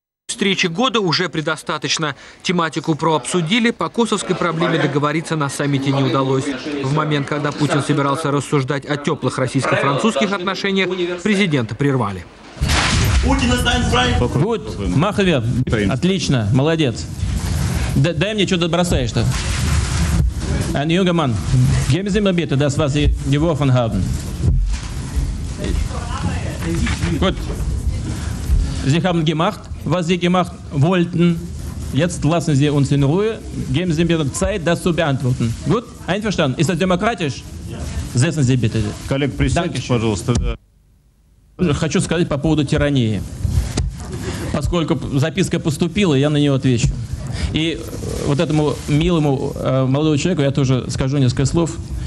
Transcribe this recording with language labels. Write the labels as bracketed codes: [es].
[ru] Встречи года уже предостаточно. Тематику ПРО обсудили, по косовской проблеме договориться на саммите не удалось. В момент, когда Путин собирался рассуждать о теплых российско-французских отношениях, президента прервали. Будет Махове. Отлично, молодец. Дай мне, что ты бросаешь-то. [de] Ein junger Mann, geben Sie mir bitte das, was Sie geworfen haben. Gut. Sie haben gemacht, was Sie gemacht wollten. Jetzt lassen Sie uns in Ruhe. Geben Sie mir Zeit, das zu beantworten. Gut? Einverstanden? Ist das demokratisch? Setzen Sie bitte. [ru] Коллег, присядьте, пожалуйста. Хочу сказать по поводу тирании. Поскольку записка поступила, я на нее отвечу. И вот этому милому молодому человеку я тоже скажу несколько слов.